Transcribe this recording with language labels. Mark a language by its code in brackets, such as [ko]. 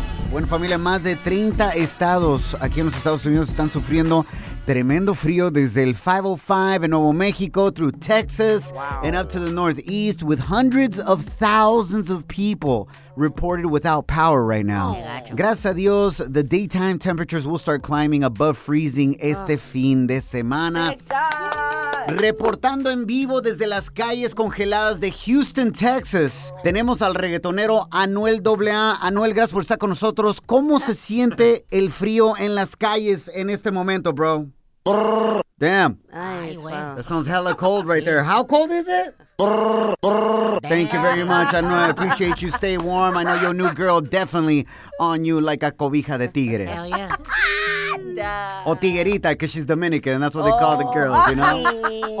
[es] Bueno, familia, más de 30 estados aquí en los Estados Unidos están sufriendo tremendo frío desde el 505 en Nuevo México, [en] through Texas, wow, and up to the northeast, with hundreds of thousands of people reported without power right now. [es] Gracias a Dios, [en] the daytime temperatures will start climbing above freezing [es] este fin de semana. Reportando en vivo desde las calles congeladas de Houston, Texas, tenemos al reggaetonero Anuel AA. Anuel, gracias por estar con nosotros. ¿Cómo se siente el frío en las calles en este momento, bro? [en] Damn. Nice, that sounds hella cold right there. How cold is it? Thank you very much, Anuel. I appreciate you. Stay warm. I know your new girl definitely on you like a [es] cobija de tigre. [en] Hell yeah. [es] O tiguerita, [en] because she's Dominican. And that's what they call the girls, you know?